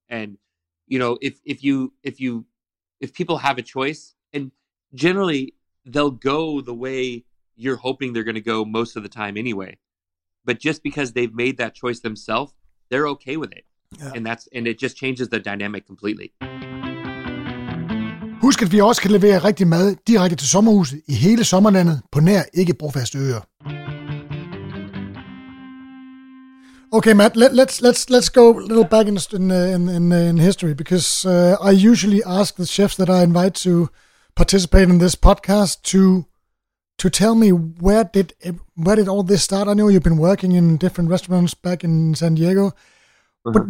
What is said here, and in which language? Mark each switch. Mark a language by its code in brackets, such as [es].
[en] And, you know, if people have a choice, and generally they'll go the way you're hoping they're going to go most of the time anyway, but just because they've made that choice themselves, they're okay with it. Yeah. And it just changes the dynamic completely. [da] Husk, at vi også kan levere rigtig mad direkte til sommerhuset i hele sommerlandet på nær ikke brofaste øer. [en] Okay, Matt, let's go a little back in history, because I usually ask the chefs that I invite to participate in this podcast to tell me where did all this start. I know you've been working in different restaurants back in San Diego, mm-hmm.